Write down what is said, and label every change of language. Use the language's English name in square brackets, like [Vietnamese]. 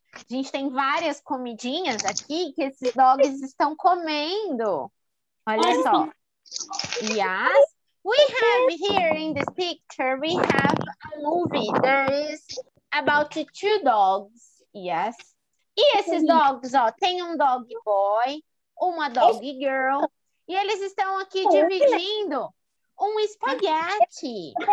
[Portuguese] A gente tem várias comidinhas aqui que esses dogs estão comendo. Olha só. Yes. [English] We have here in this picture, we have a movie. There is about 2 dogs. Yes. [Portuguese] E esses dogs, ó, tem um dog boy, uma dog girl, e eles estão aqui dividindo um espaguete.